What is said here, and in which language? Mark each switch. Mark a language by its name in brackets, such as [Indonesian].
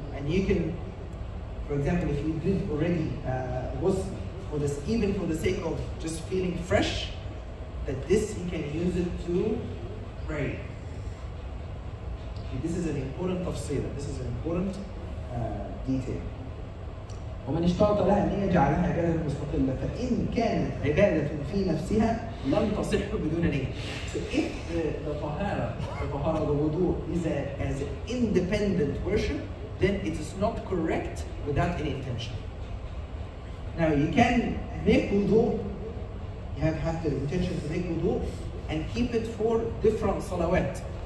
[English] And you can, for example, if you did already ghusl for this, even for the sake of just feeling fresh, that this you can use it to pray. And this is an important tafsir, this is an important detail. [Arabic] ومن اشترط لها أن يجعلها عبادة مستقلة فإن كانت عبادة في نفسها لم تصح بدون نية. [English] So if the طهارة, the طهارة, the wudu is an independent worship, then it is not correct without any intention. Now you can make wudu, you have the intention to make wudu and keep it for different salawat.